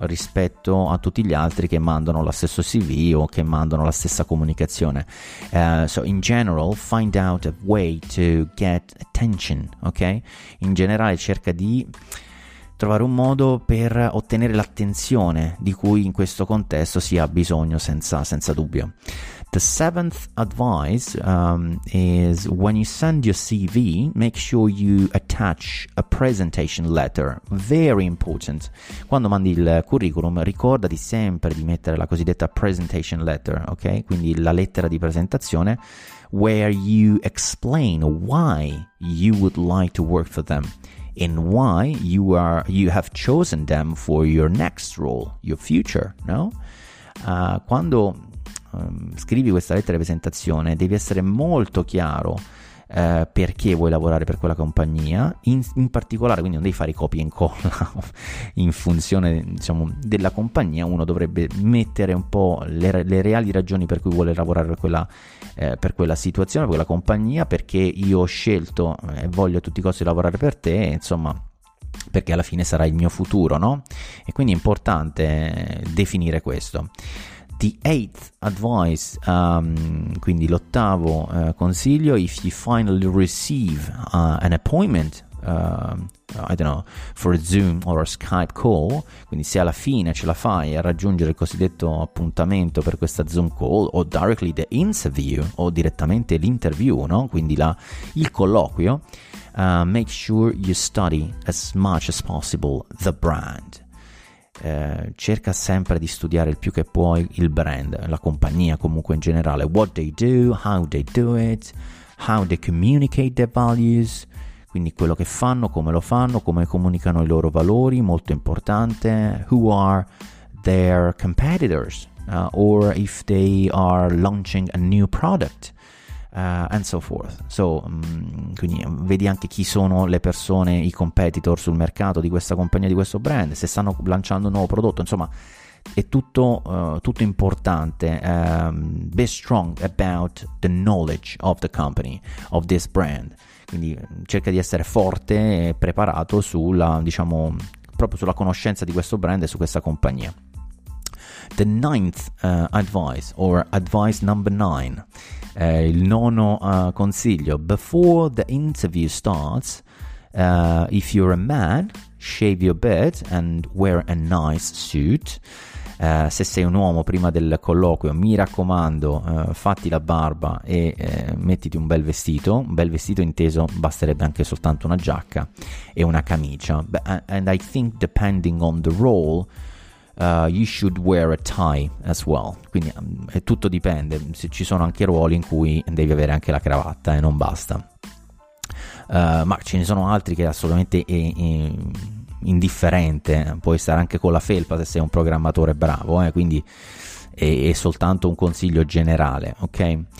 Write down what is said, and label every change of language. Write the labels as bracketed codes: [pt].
[it] Rispetto a tutti gli altri che mandano lo stesso CV o che mandano la stessa comunicazione. [en] So in general, find out a way to get attention, ok? [it] In generale cerca di trovare un modo per ottenere l'attenzione di cui in questo contesto si ha bisogno senza dubbio. [en] The seventh advice is when you send your CV, make sure you attach a presentation letter. Very important. [it] Quando mandi il curriculum, ricordati sempre di mettere la cosiddetta presentation letter, ok? Quindi la lettera di presentazione, [en] where you explain why you would like to work for them and why you have chosen them for your next role, your future, no? [it] Quando scrivi questa lettera di presentazione, devi essere molto chiaro perché vuoi lavorare per quella compagnia in particolare, quindi non devi fare copia e incolla in funzione, diciamo, della compagnia. Uno dovrebbe mettere un po' le reali ragioni per cui vuole lavorare per quella situazione, per quella compagnia, perché io ho scelto e voglio a tutti i costi lavorare per te, insomma, perché alla fine sarà il mio futuro, no? E quindi è importante definire questo. [en] The eighth advice, [it] quindi l'ottavo consiglio, [en] if you finally receive an appointment, I don't know, for a Zoom or a Skype call, [it] quindi se alla fine ce la fai a raggiungere il cosiddetto appuntamento per questa Zoom call, o [en] directly the interview, [it] o direttamente l'interview, no? Quindi il colloquio, [en] make sure you study as much as possible the brand. [it] Cerca sempre di studiare il più che puoi il brand, la compagnia comunque in generale, [en] what they do, how they do it, how they communicate their values, [it] quindi quello che fanno, come comunicano i loro valori, molto importante, [en] who are their competitors, or if they are launching a new product, and so forth. [it] So, quindi vedi anche chi sono le persone, i competitor sul mercato di questa compagnia, di questo brand, se stanno lanciando un nuovo prodotto, insomma è tutto, tutto importante. [en] Be strong about the knowledge of the company, of this brand, [it] quindi cerca di essere forte e preparato sulla, diciamo, proprio sulla conoscenza di questo brand e su questa compagnia. [en] The ninth advice, or advice number nine, [it] il nono consiglio, [en] before the interview starts, if you're a man, shave your beard and wear a nice suit. [it] Se sei un uomo, prima del colloquio, mi raccomando, fatti la barba e mettiti un bel vestito inteso, basterebbe anche soltanto una giacca e una camicia. [en] And I think depending on the role, you should wear a tie as well. [it] Quindi tutto dipende, se ci sono anche ruoli in cui devi avere anche la cravatta e non basta, ma ce ne sono altri che assolutamente è indifferente, puoi stare anche con la felpa se sei un programmatore bravo, quindi è soltanto un consiglio generale, ok?